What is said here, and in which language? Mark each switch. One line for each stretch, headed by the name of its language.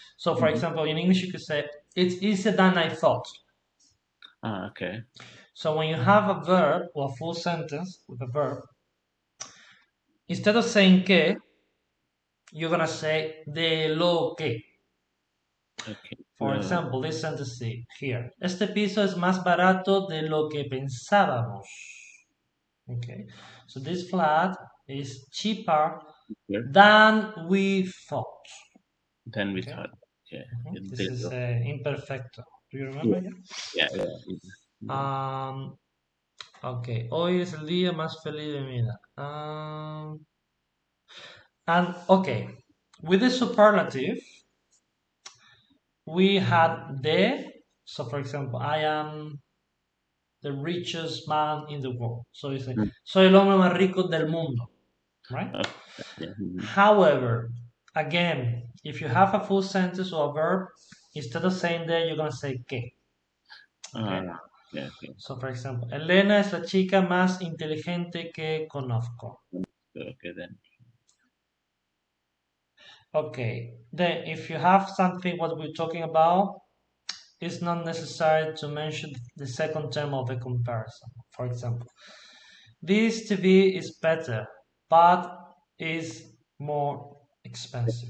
English: So, for example, in English, you could say, it's easier than I thought. Okay. So when you have a verb or a full sentence with a verb, instead of saying que, you're going to say de lo que. Okay. For example, this sentence here.
Spanish: Este piso es más barato de lo que pensábamos.
English: Okay. So this flat is cheaper than we thought. Then we thought. Okay. This is imperfecto. Do you remember? Yeah. Okay.
Spanish: Hoy es el día más feliz de mi vida.
English: And okay, with the superlative, we had de. So, for example, I am the richest man in the world. So you say,
Spanish: soy el hombre más rico del mundo. Right?
English: However, again, if you have a full sentence or a verb, instead of saying that, you're going to say que. So, for example,
Spanish: Elena es la chica más inteligente que conozco.
English: Okay, then. Okay, then if you have something what we're talking about, it's not necessary to mention the second term of the comparison. For example, this TV is better, but is more expensive.